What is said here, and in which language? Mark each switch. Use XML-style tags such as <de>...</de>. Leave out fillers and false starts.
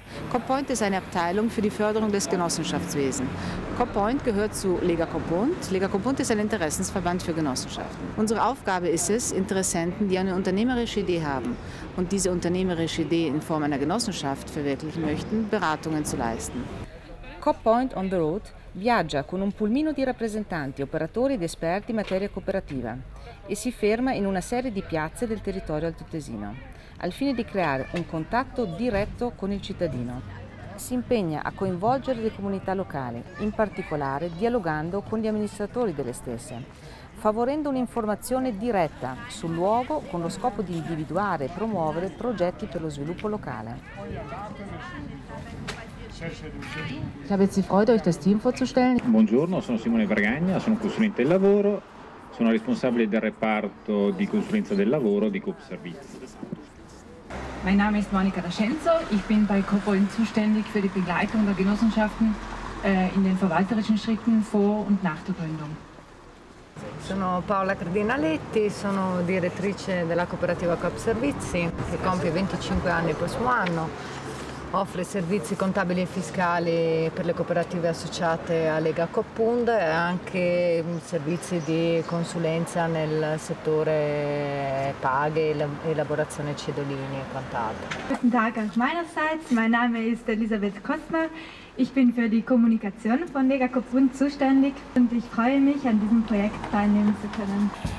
<de>CoopPoint ist eine Abteilung für die Förderung des Genossenschaftswesens. CoopPoint gehört zu Lega CoopPoint. Lega CoopPoint ist ein Interessensverband für Genossenschaften. Unsere Aufgabe ist es, Interessenten, die eine unternehmerische Idee haben und diese unternehmerische Idee in Form einer Genossenschaft verwirklichen möchten, Beratungen zu leisten.</de> <it>CoopPoint on the road viaggia con un pulmino di rappresentanti, operatori ed esperti in materia cooperativa e si ferma in una serie di piazze del territorio altoatesino al fine di creare un contatto diretto con il cittadino. Si impegna a coinvolgere le comunità locali, in particolare dialogando con gli amministratori delle stesse, favorendo un'informazione diretta sul luogo con lo scopo di individuare e promuovere progetti per lo sviluppo locale.</it> <de>Ich habe jetzt die Freude, euch das Team vorzustellen.</de> <it>Buongiorno, sono Simone Bragagna, sono consulente del lavoro, sono responsabile del reparto di consulenza del lavoro di Coop Servizi.</it> <de>Mein Name ist Monika D'Ascenzo, ich bin bei CoopPoint zuständig für die Begleitung der Genossenschaften in den verwalterischen Schritten vor und nach der Gründung.</de> <it>Sono Paola Cardinaletti, sono direttrice della cooperativa Coop Servizi, che compie 25 anni il prossimo anno. Offre servizi contabili e fiscali per le cooperative associate a Lega CoopPoint e anche servizi di consulenza nel settore paghe, elaborazione cedolini e quant'altro.</it> <de>Guten Tag auch meinerseits. Mein Name ist Elisabeth Kostner. Ich bin für die Kommunikation von Lega CoopPoint zuständig und ich freue mich, an diesem Projekt teilnehmen zu können.</de>